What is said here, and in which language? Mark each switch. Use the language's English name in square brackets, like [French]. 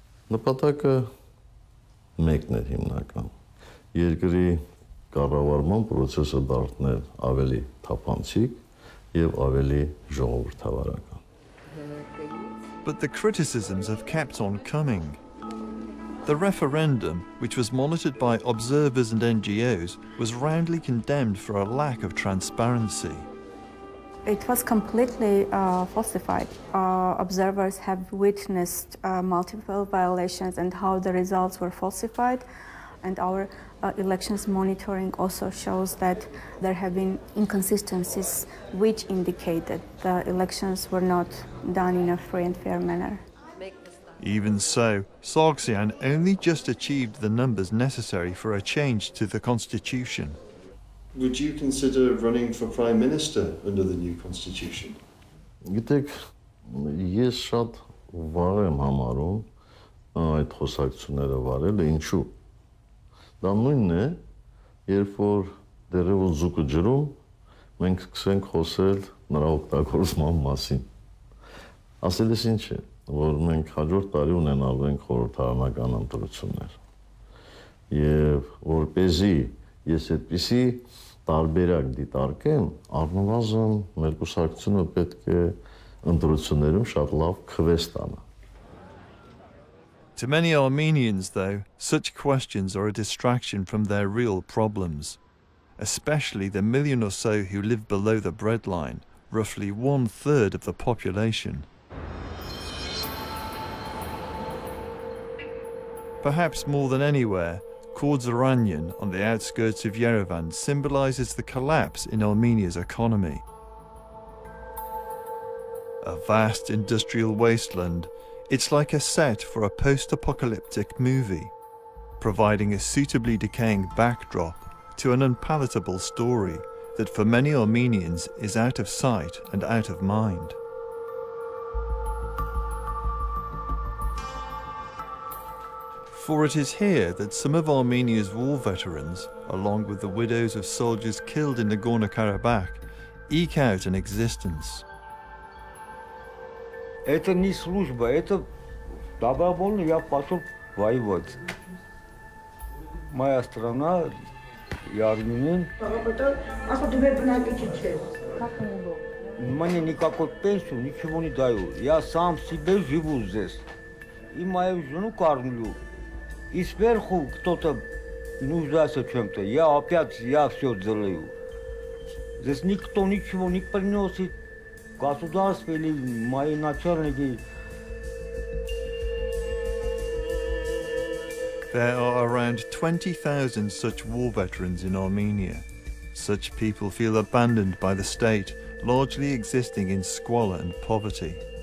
[Armenian] Նպատակը մեկն է հիմնական. Երկրի կառավարման պրոցեսը դարձնել ավելի թափանցիկ եւ ավելի ժողովրդավարական. [English] But the criticisms have kept on coming. The referendum, which was monitored by observers and NGOs, was roundly condemned for a lack of transparency. It was completely falsified. Observers have witnessed multiple violations and how the results were falsified. And our elections monitoring also shows that there have been inconsistencies which indicate that the elections were not done in a free and fair manner. Even so, Sargsyan only just achieved the numbers necessary for a change to the constitution. Would you consider running for prime minister under the new constitution? [Armenian] Գիտեք, ես շատ վաղ եմ համարում այդ խոսակցությունները վարելը, ինչու? Դա նույնն է, երբ որ դերևս զուգը ջրում, մենք սկսենք խոսել նրա օգտագործման մասին։ Ասելիս ինչ է, որ մենք հաջորդ տարի ունենալու ենք խորհրդարանական ընտրություններ։ Եվ որպեսզի ես այդպիսի տարբերակ դիտարկեմ, առնվազն մեր կուսակցությունը պետք է ընտրություններում շատ լավ քվես տանա։ [English] To many Armenians, though, such questions are a distraction from their real problems, especially the million or so who live below the breadline, roughly one-third of the population. Perhaps more than anywhere, Kordzoranyan on the outskirts of Yerevan symbolizes the collapse in Armenia's economy. A vast industrial wasteland, it's like a set for a post-apocalyptic movie, providing a suitably decaying backdrop to an unpalatable story that for many Armenians is out of sight and out of mind. For it is here that some of Armenia's war veterans, along with the widows of soldiers killed in Nagorno-Karabakh, eke out an existence. [Russian] Это не служба, это добровольно я пошел воевать. Моя страна, я армянин. Мне никакой пенсию ничего не даю. Я сам себе живу здесь. И мою жену кормлю. И сверху кто-то нуждается в чем-то. Я опять все делаю. Здесь никто ничего не приносит. Государство или мои начальники. [English] There are around 20,000 such war veterans in Armenia. Such people feel abandoned by the state largely existing in squalor and poverty.